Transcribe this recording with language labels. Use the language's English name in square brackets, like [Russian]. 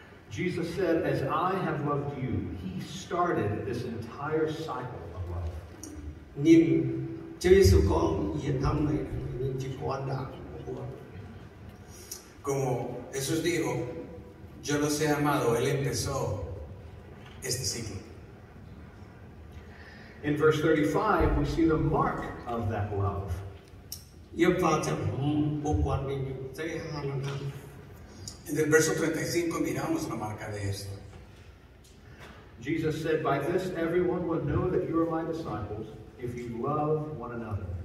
[English] Jesus said, as I have loved you, he started this entire cycle of love. [Spanish] Como Jesús dijo, yo los he amado, él empezó este ciclo. [English] In verse 35, we see the mark of that love. [Spanish] En el verso 35, miramos la marca de esto. [English] Jesus said, by this everyone would know that you are my disciples if you love one another.